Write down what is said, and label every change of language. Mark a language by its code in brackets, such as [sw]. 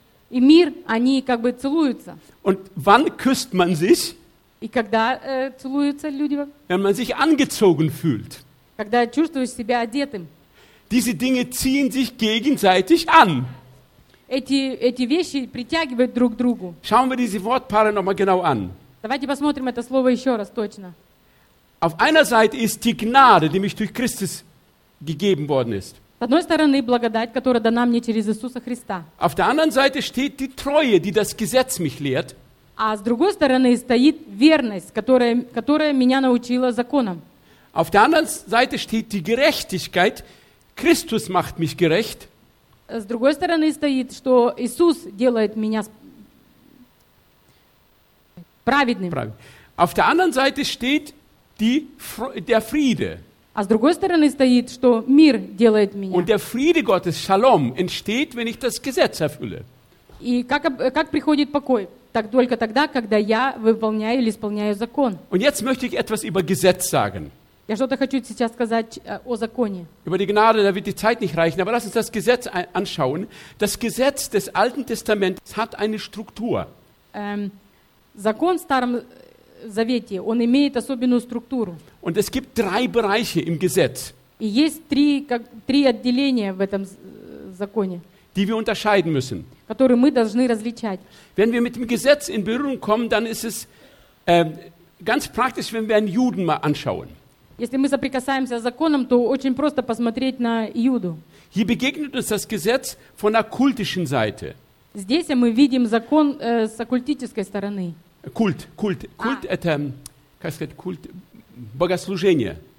[ru] И мир, они как бы целуются. [de] Und wann küsst man sich? [ru] И когда целуются люди? [de] Wenn man sich angezogen fühlt. [ru] Когда чувствуешь себя одетым. [de] Diese Dinge ziehen sich gegenseitig an. [ru] Эти вещи притягивают друг к другу. [de] Schauen wir diese Wortpaare nochmal genau an. [ru] Давайте посмотрим это слово еще раз точно. [de] Auf einer Seite ist die Gnade, die mich durch Christus gegeben worden ist. [ru] С одной стороны, благодать, которая дана мне через Иисуса Христа. [de] Auf der anderen Seite steht die Treue, die das Gesetz mich lehrt. [ru] А с другой стороны стоит верность, которая меня научила законом. [de] Auf der anderen Seite steht die Gerechtigkeit. Christus macht mich gerecht. [ru] С другой стороны стоит, что Иисус делает меня праведным. [de] Auf der anderen Seite steht der Friede. [ru] А с другой стороны стоит, что мир делает меня. [de] Und der Friede Gottes, Shalom, entsteht, wenn ich das Gesetz erfülle. [ru] И как приходит покой? Так только тогда, когда я выполняю или исполняю закон. [de] Und jetzt möchte ich etwas über Gesetz sagen. [ru] Я что-то хочу сейчас сказать о законе. [de] Über die Gnade, da wird die Zeit nicht reichen, aber lass uns das Gesetz anschauen. Das Gesetz des Alten Testaments hat eine Struktur. [ru] Закон в Старом Завете, он имеет особенную структуру. [de] Und es gibt drei Bereiche im Gesetz. [ru] И есть три отделения в этом законе. [de] Die wir unterscheiden müssen. [ru] Которые мы должны различать. [de] Wenn wir mit dem Gesetz in Berührung kommen, dann ist es ganz praktisch, wenn wir einen Juden mal anschauen. [ru] Если мы соприкасаемся с законом, то очень просто посмотреть на Иуду. [de] Hier begegnet uns das Gesetz von der kultischen Seite. [ru] Здесь мы видим закон с оккультической стороны. Культ это, как сказать, культ богослужения.